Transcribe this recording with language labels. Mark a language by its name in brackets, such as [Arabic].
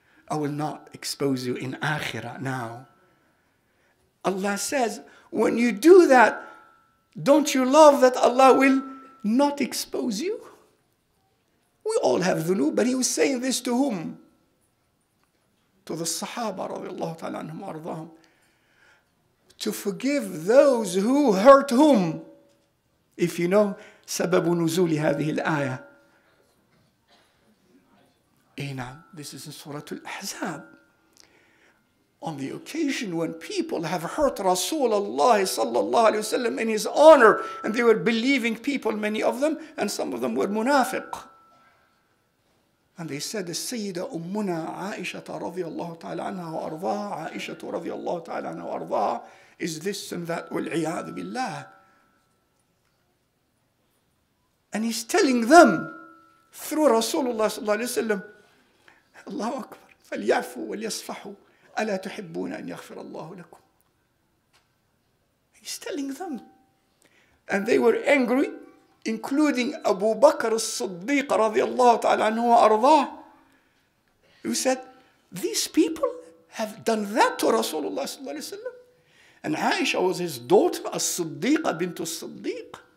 [English] I will not expose you in akhirah now. Allah says, when you do that, don't you love that Allah will not expose you? We all have dhunub, but he was saying this to whom? To the Sahaba, radiallahu ta'ala anhum arzahum. To forgive those who hurt whom? If you know, [Arabic] سبب نزول هذه الآية. [English] This is in Surah Al-Ahzab. On the occasion when people have hurt Rasulullah sallallahu alayhi wasallam in his honor, and they were believing people, many of them, and some of them were munafiq. And they said, Sayyida Ummuna Aisha radiallahu ta'ala anha wa arzaha, Aisha radiallahu ta'ala anha wa arzaha, is this and that, wal'iyadh billah. And he's telling them through Rasulullah sallallahu alayhi wasallam, Allahu Akbar, falyafu wal yasfahu. [Arabic] أَلَا تُحِبُّونَ أَنْ يَغْفِرَ اللَّهُ لَكُمْ [English] He's telling them. And they were angry, including Abu Bakr al-Siddiq [Arabic] رضي الله تعالى عنه وأرضاه, [English] who said, these people have done that to Rasulullah [Arabic] صلى الله عليه وسلم. [English] And Aisha was his daughter, al-Siddiq bint al-Siddiq.